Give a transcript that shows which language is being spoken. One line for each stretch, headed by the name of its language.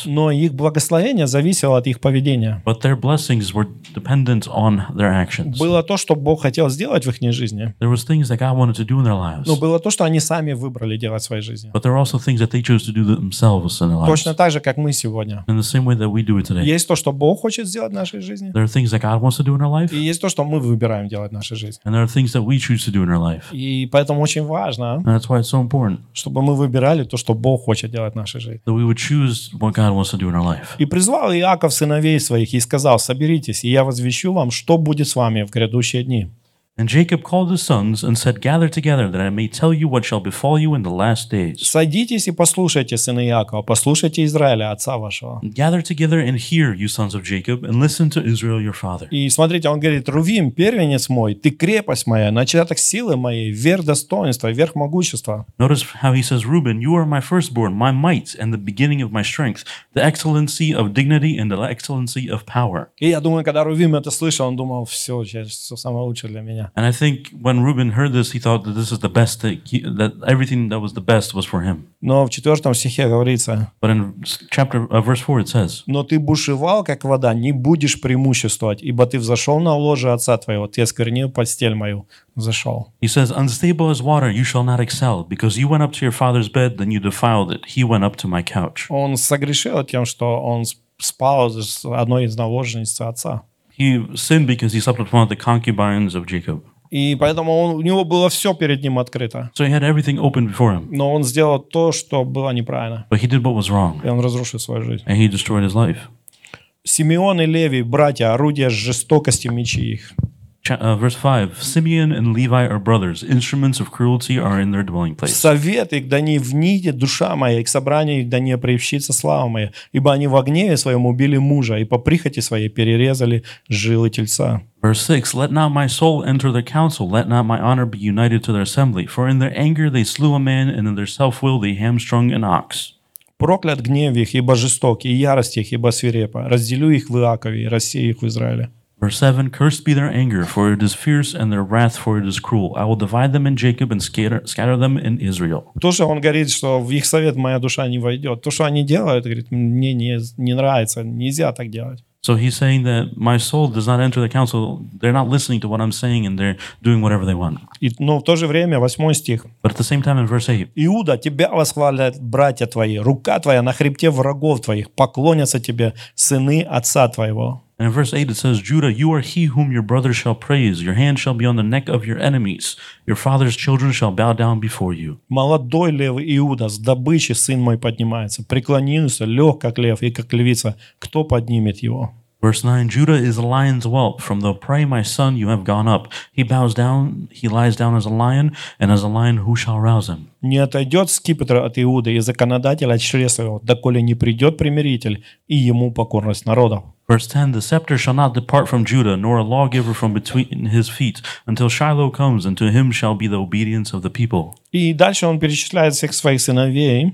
Russian: Но их благословение зависело от их поведения.
English: But their blessings were dependent on their actions.
Russian: Было то, что Бог хотел сделать в их жизни.
English: There was things that God wanted to do in their lives.
Russian: Но было то, что они сами выбрали делать в своей жизни.
English: But there are also things that they chose to do themselves in their lives.
Russian: Точно так же, как мы сегодня.
English: In the same way that we do it today.
Russian: Есть то, что Бог хочет сделать в нашей жизни.
English: There are things that God wants to do in our life.
Russian: И есть то, что мы выбираем делать в нашей жизни.
English: And there are things that we choose to do in our life.
Russian: И поэтому очень важно.
English: And that's why it's so important.
Russian: Чтобы мы выбирали то, что Бог хочет делать.
English: That we would choose what God wants to do in our life.
Russian: И призвал Иаков сыновей своих и сказал: соберитесь, и я возвещу вам, что будет с вами в грядущие дни.
English: And Jacob called his sons and said, "Gather together, that I may tell you what shall befall you in the last days."
Russian: Садитесь и послушайте, сыны Иакова, послушайте Израиля, отца вашего.
English: Gather together and hear, you sons of Jacob, and listen to Israel, your father.
Russian: И смотрите, он говорит: Рувим, первенец мой, ты крепость моя, начаток силы моей, верх достоинства, верх могущества.
English: Notice how he says, Reuben, you are my firstborn, my might, and the beginning of my strength, the excellency of dignity and the excellency of power.
Russian: И я думаю, когда Рувим это слышал, он думал: все, сейчас все самое лучшее для меня.
English: And I think when Reuben heard this, he thought that this is the best thing, that everything that was the best was for him.
Russian: Но в четвертом стихе говорится.
English: But in chapter verse 4 it says.
Russian: Но ты бушевал как вода, не будешь преимуществовать, ибо ты взошел на ложе отца твоего, ты осквернил постель мою, взошел.
English: He says, unstable as water, you shall not excel, because you went up to your father's bed, then you defiled it. He went up to my couch.
Russian: Он согрешил тем, что он спал с одной из наложниц отца.
English: He sinned because he slept with one of the concubines of Jacob.
Russian: И поэтому он, у него было все перед ним открыто.
English: So he had everything open before him.
Russian: Но он сделал то, что было неправильно.
English: But he did what was wrong.
Russian: И он разрушил свою жизнь.
English: And he destroyed his life.
Russian: Симеон и Леви, братья, орудия жестокости мечи их.
English: Verse 5. Simeon and Levi are brothers. Instruments of cruelty are in their dwelling place.
Russian: Совет их да не внидет душа моя, и к собранию их да не приобщится слава моя, ибо они во гневе своем убили мужа, и по прихоти своей перерезали жилы тельца.
English: Verse 6. Let not my soul enter their council, let not my honor be united to their assembly, for in their anger they slew a man, and in their self-will they hamstrung an ox.
Russian: Проклят гнев их, ибо жесток, и ярость их, ибо свирепа. Разделю их в Иакове, и рассею их в Израиле.
English: Verse 7, cursed be their anger, for it is fierce, and their wrath, for it is cruel. I will divide them in Jacob and scatter them in Israel.
Russian: То, что он говорит, что в их совет моя душа не войдет. То, что они делают, говорит, мне не нравится, нельзя так делать.
English: So he's saying that my soul does not enter the council. They're not listening to what I'm saying, and they're doing whatever they want.
Russian: Но в то же время, восьмой стих.
English: But at the same time, in verse 8.
Russian: Иуда, тебя восхвалят братья твои, рука твоя на хребте врагов твоих, поклонятся тебе сыны отца твоего.
English: And in verse 8 it says, Judah, you are he whom your brother shall praise. Your hand shall be on the neck of your enemies. Your father's children shall bow down before you.
Russian: Молодой лев Иуда, с добычи сын мой поднимается. Преклонился, лег как лев и как львица. Кто поднимет его?
English: Verse 9, Judah is a lion's whelp. From the prey, my son, you have gone up. He bows down, he lies down as a lion, and as a lion, who shall rouse him?
Russian: Не отойдет скипетр от Иуды и законодатель от чреса его, доколе не придет примиритель и ему покорность народа.
English: Verse 10, the scepter shall not depart from Judah, nor a lawgiver from between his feet, until Shiloh comes, and to him shall be the obedience of the people.
Russian: И дальше он перечисляет всех своих сыновей.